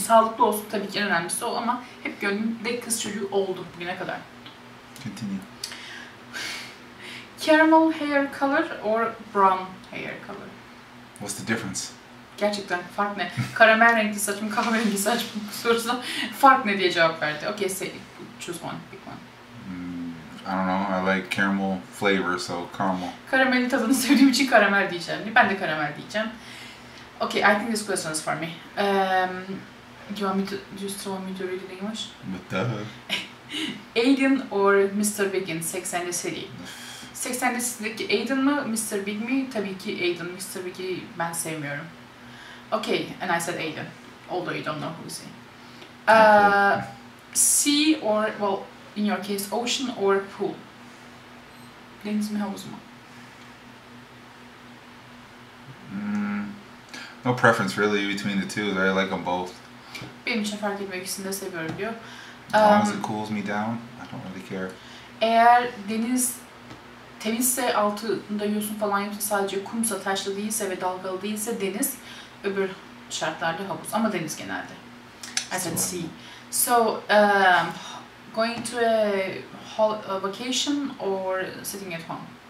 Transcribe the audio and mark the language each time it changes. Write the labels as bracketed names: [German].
[Turkish] Sağlıklı olsun tabii ki en önemlisi o ama hep gönlümde kız çocuğu oldu bugüne kadar. [English] Continue. Caramel hair color or brown hair color? What's the difference? [Turkish] Gerçekten fark ne? Karamel renkli saçım, kahverengi saçım sorusuna fark ne diye cevap verdi. [English] Okay, say, choose one, pick one. I don't know, I like caramel flavor, so caramel. [Turkish] Karamelin tadını sevdiğim için karamel diyeceğim. Ben de karamel diyeceğim. [English] Okay, I think this question is for me. Do you want me to read it in English? What the hell? Aiden or Mr. Bigin, Sex and the City? [Turkish] 80'li sizdeki Aiden mı, Mr. Big mi? Tabii ki Aiden. Mr. Big'i ben sevmiyorum. [English] Okay, and I said Aiden. Although you don't know who's he. Sea or, well, in your case, ocean or pool? [Turkish] Deniz mi, havuz mu? [English] No preference really between the two. I like them both. [Turkish] Benim için fark etmiyor. İkisini de seviyorum diyor. [English] As long as it cools me down, I don't really care. [Turkish] Eğer deniz temizse, altında yosun falan yoksa, sadece kumsa, taşlı değilse ve dalgalı değilse deniz, öbür şartlarda havuz. Ama deniz genelde. [English] I said sea. So, going to a vacation or sitting at home?